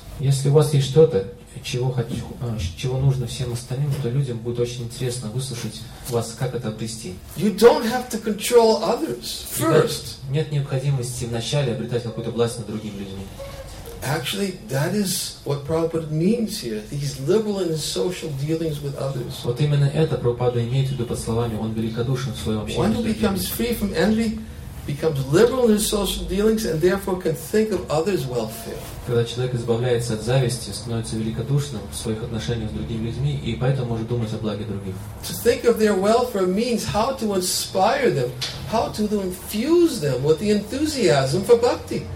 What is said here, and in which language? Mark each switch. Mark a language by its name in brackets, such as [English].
[Russian] Если у вас есть что-то, чего нужно всем остальным, то людям будет очень интересно выслушать вас, как это обрести. [English] You don't have to control others first. [Russian] Нет необходимости вначале обретать какую-то власть над другими людьми. [English] Actually, that is what Prabhupada means here. He's liberal in his social dealings with others. [Russian] Вот именно это Прабхупада имеет в виду под словами «он великодушен в своем общении». [English] One who becomes free from envy becomes liberal in his social dealings and therefore can think of others' welfare. [Russian] Когда человек избавляется от зависти, становится великодушным в своих отношениях с другими людьми и поэтому может думать о благе других. [English] To think of their welfare means how to inspire them, how to infuse them with the enthusiasm for bhakti.